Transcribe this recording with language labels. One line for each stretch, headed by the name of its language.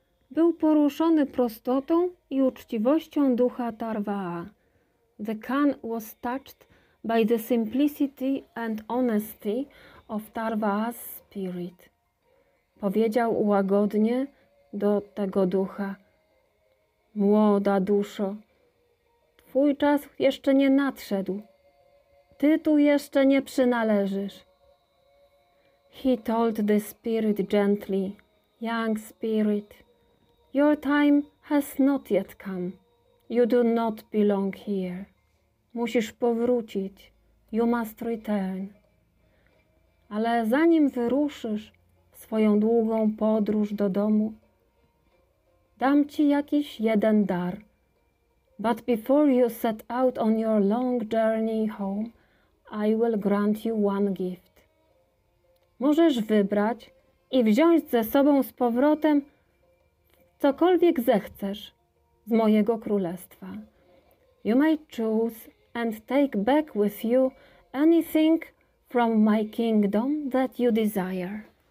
Polish: był poruszony prostotą i uczciwością ducha Tarvaha.
English: The Khan was touched by the simplicity and honesty of Tarvaha's spirit.
Polish: Powiedział łagodnie do tego ducha: młoda duszo, twój czas jeszcze nie nadszedł. Ty tu jeszcze nie przynależysz.
English: He told the spirit gently, young spirit, your time has not yet come. You do not belong here.
Polish: Musisz powrócić.
English: You must return.
Polish: Ale zanim wyruszysz w swoją długą podróż do domu, dam ci jakiś jeden dar.
English: But before you set out on your long journey home, I will grant you one gift.
Polish: Możesz wybrać i wziąć ze sobą z powrotem cokolwiek zechcesz z mojego królestwa.
English: You may choose and take back with you anything from my kingdom that you desire.